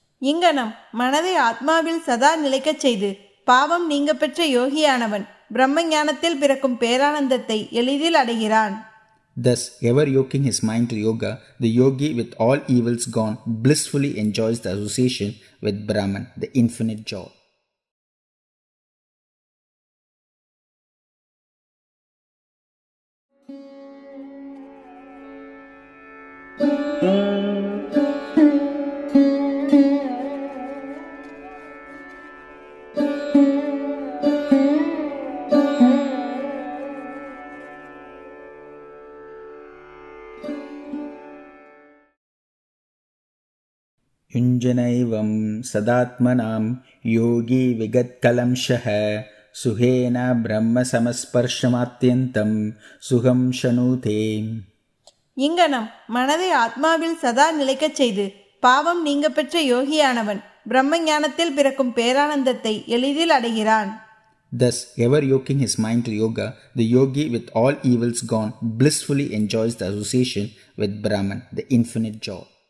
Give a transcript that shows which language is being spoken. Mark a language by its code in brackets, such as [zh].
[ta] இங்கனம் மனதை ஆத்மாவில் சதா நிலைக்கச் செய்து பாவம் நீங்க பெற்ற யோகியானவன் பிரம்ம ஞானத்தில் பிறக்கும் பேரானந்தத்தை எளிதில் அடைகிறான் [en] Thus, ever yoking his mind to yoga, the yogi with all evils gone blissfully enjoys the association with Brahman, the infinite joy. [sa] युञ्जनैवं सदात्मनां योगी विगत्कलंशः सुखेन ब्रह्मसमस्पर्शमात्यन्तं सुखं शृणुते [ta] இங்கனம் மனதை ஆத்மாவில் சதா நிலைக்கச் செய்து பாவம் நீங்க பெற்ற யோகியானவன் பிரம்ம ஞானத்தில் பிறக்கும் பேரானந்தத்தை எளிதில் அடைகிறான் [en] Thus, ever yoking his mind to yoga, the yogi with all evils gone blissfully enjoys the association with Brahman, the infinite joy.